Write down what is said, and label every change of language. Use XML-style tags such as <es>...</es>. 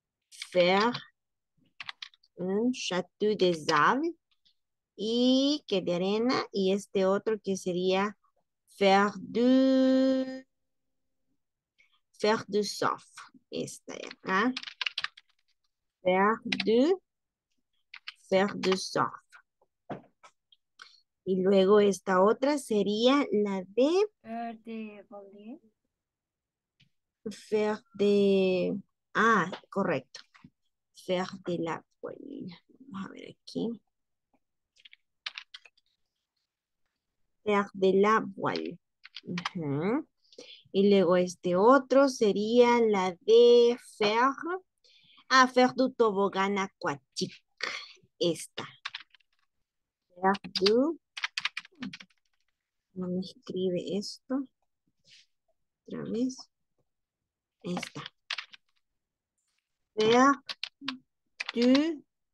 <fr>Faire un château de sable.</fr> <es>Y que de arena. Y este otro que sería</es> <fr>faire du surf.</fr> <es>Esta de acá.</es> <fr>Faire du surf.</fr> <es>Y luego esta otra sería la de</es> <fr>faire de.</fr> <es>Ah, correcto.</es> <fr>Faire de la.</fr> <es>Vamos a ver aquí.</es> <fr>Faire de la voile.</fr> <es>Y luego este otro sería la de faire.</es> <fr>A faire du toboggan aquatique.</fr> <es>Esta. No me escribe esto. Otra vez. Esta.</es> <fr>Faire du.</fr>